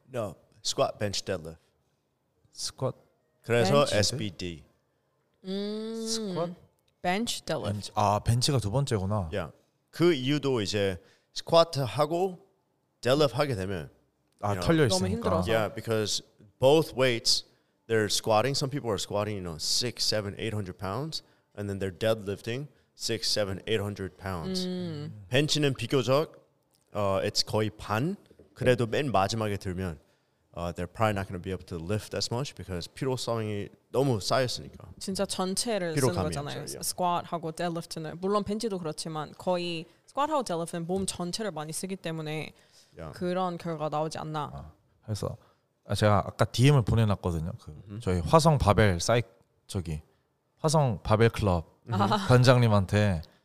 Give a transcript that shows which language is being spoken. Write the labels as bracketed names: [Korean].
[English] No, squat, bench, deadlift. [Korean] 스쿼트? 그래서 벤치? SBD. 스쿼트, 벤치, 델리프트. 아, 벤치가 두 번째구나. 야, yeah. 그 이유도 이제 스쿼트 하고 델리프트 하게 되면 아, 털려 있으니까. [English] Yeah, because both weights, they're squatting. Some people are squatting, you know, 600, 700, 800 pounds, and then they're deadlifting 600, 700, 800 pounds. [Korean] 벤치는 비교적 it's 거의 반. 그래도 맨 마지막에 들면. [English] They're probably not going to be able to lift as much because [Korean] 피로성이 너무 쌓였으니까. 진짜 전체를 쓰는 거잖아요. 있어요, yeah. Squat하고 deadlift는 물론 벤치도 그렇지만 거의 squat하고 deadlift는 몸 전체를 많이 쓰기 때문에 yeah. 그런 결과가 나오지 않나. 아, 그래서 제가 아까 DM을 보내놨거든요. 그 저희 화성 바벨 저기 화성 바벨 클럽 관장님한테